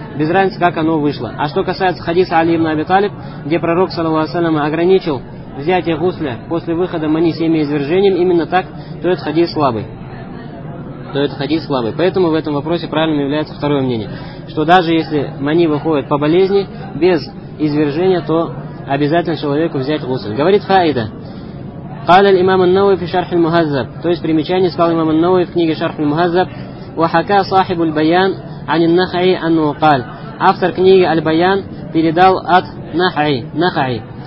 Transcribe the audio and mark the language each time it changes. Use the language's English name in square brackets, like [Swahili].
[Russian] Без разницы, как оно вышло. А что касается хадиса Али ибн Аби Талиб, где пророк саллам ограничил взятие гусля после выхода мани семяизвержением, именно так, то этот хадис слабый. То этот хадис слабый. Поэтому в этом вопросе правильным является второе мнение. Что даже если мани выходит по болезни, без извержения, то обязательно человеку взять гусль. Говорит Фаида. [Arabic] قال الإمام النووي في شرح المهذب. [Russian] То есть примечание сказал имам ан-Науи в книге Шарх аль-Мухаззаб. [Arabic] وحكى صاحب البيان عن النخعي أنه قال. [Russian] Автор книги аль-Баян передал от Нахаи. Нахаи.